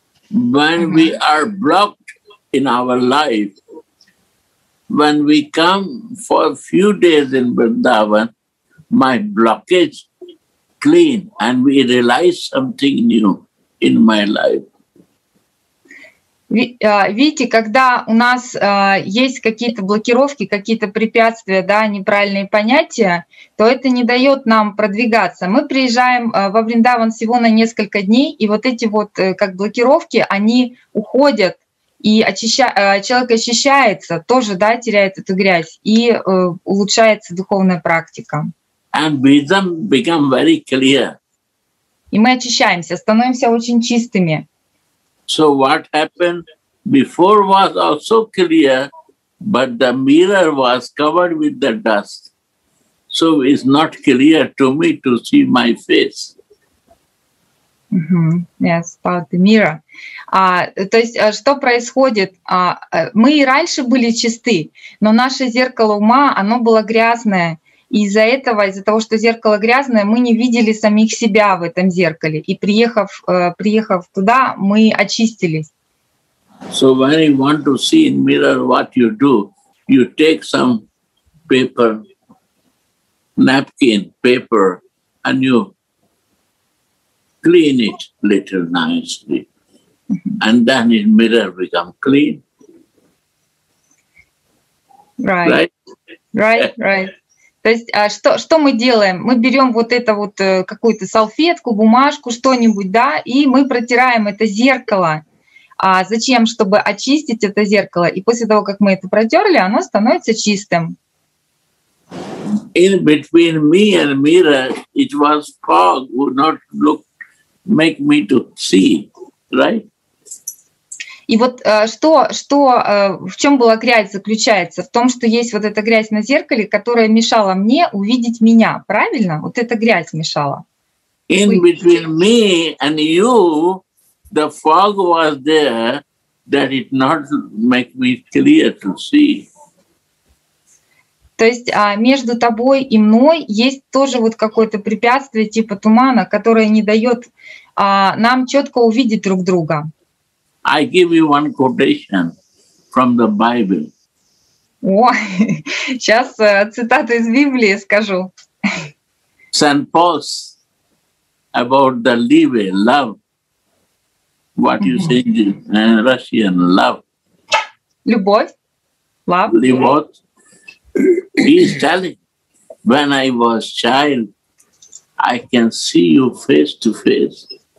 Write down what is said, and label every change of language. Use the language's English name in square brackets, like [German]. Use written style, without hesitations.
[English] When we are blocked in our life, when we come for a few days in Vrindavan, my blockage clean and we realize something new in my life. [Russian] Видите, когда у нас есть какие-то блокировки, какие-то препятствия, да, неправильные понятия, то это не дает нам продвигаться. Мы приезжаем во Вриндаван всего на несколько дней, и вот эти вот как блокировки, они уходят, и человек очищается, тоже, да, теряет эту грязь, и улучшается духовная практика. [English] And wisdom become very clear. [Russian] И мы очищаемся, становимся очень чистыми. [English] So what happened before was also clear, but the mirror was covered with the dust. So it's not clear to me to see my face. Mm-hmm. Yes, about the mirror. [Russian] То есть, что происходит? Мы и раньше были чисты, но наше зеркало ума, оно было грязное. Из-за этого, из-за того, что зеркало грязное, мы не видели самих себя в этом зеркале. И приехав туда, мы очистились. [English] So when you want to see in mirror what you do, you take some paper, napkin, paper, and you clean it little nicely. And then in mirror become clean. [Russian] Right. То есть что мы делаем? Мы берем вот это вот какую-то салфетку, бумажку, что-нибудь, да, и мы протираем это зеркало. А зачем? Чтобы очистить это зеркало. И после того, как мы это протерли, оно становится чистым. [English] In between me and mirror, it was fog would not look, make me to see, right? [Russian] И вот в чем была грязь заключается? В том, что есть вот эта грязь на зеркале, которая мешала мне увидеть меня, правильно? Вот эта грязь мешала. [English] In between me and you, the fog was there that it not make me clear to see. [Russian] То есть между тобой и мной есть тоже вот какое-то препятствие типа тумана, которое не дает нам четко увидеть друг друга. [English] I give you one quotation from the Bible. [Russian] Сейчас цитату из Библии скажу. [English] Saint Paul's about the love, what you say in Russian, love. [Russian] Любовь, love. Любовь. [English] He is telling, when I was child, I can see you face to face.